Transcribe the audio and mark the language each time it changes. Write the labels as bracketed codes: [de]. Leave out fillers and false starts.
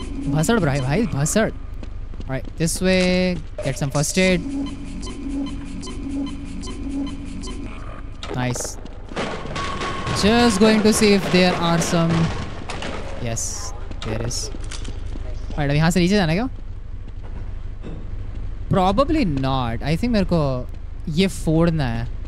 [hi] भसड़ भाई भाई भसड़। [en] Right this way, get some first aid. Nice. Just going to see if there are some Yes, there is. [hi] Alright, अब यहाँ से नीचे जाना क्या? [en] Probably not. [hi] I think मेरे को ये फोड़ना है.